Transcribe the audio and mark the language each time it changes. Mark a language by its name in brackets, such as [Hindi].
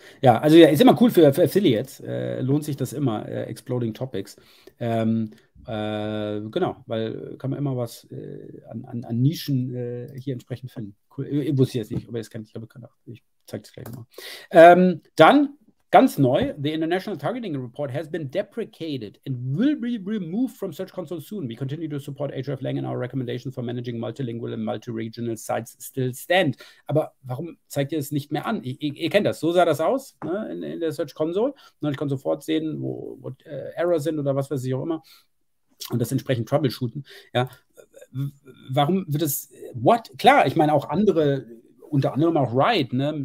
[German] Ja, also ja, ist immer cool für Affiliates. Lohnt sich das immer, Exploding Topics. Genau, weil kann man immer was an Nischen hier entsprechend finden. Cool. Ich wusste jetzt nicht, aber jetzt kann ich, glaube ich, ich zeige es gleich nochmal. Dann ganz neu: [English] The International Targeting Report has been deprecated and will be removed from Search Console soon. We continue to support Ahreflang in our recommendations for managing multilingual and multi-regional sites still stand. [German] Aber warum zeigt ihr es nicht mehr an? Ihr kennt das. So sah das aus, ne, in der Search Console. Und ich kann sofort sehen, wo Errors sind oder was weiß ich auch immer. Und das entsprechend troubleshooten. Ja. Warum wird das? What? Klar, ich meine auch andere. Unter anderem auch Riot, ne?